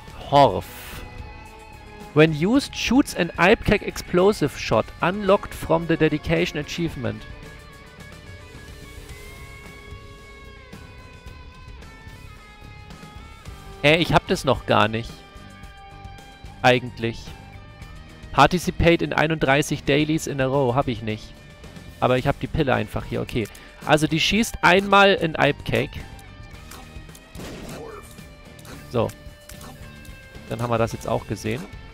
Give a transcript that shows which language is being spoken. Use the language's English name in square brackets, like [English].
[English] Horf. When used, shoots an Alpcake Explosive Shot, unlocked from the Dedication Achievement. [German] Ich hab das noch gar nicht. Eigentlich. [English] Participate in 31 Dailies in a row. [German] Hab ich nicht. Aber ich hab die Pille einfach hier. Okay. Also die schießt einmal in Alpcake. So. Dann haben wir das jetzt auch gesehen.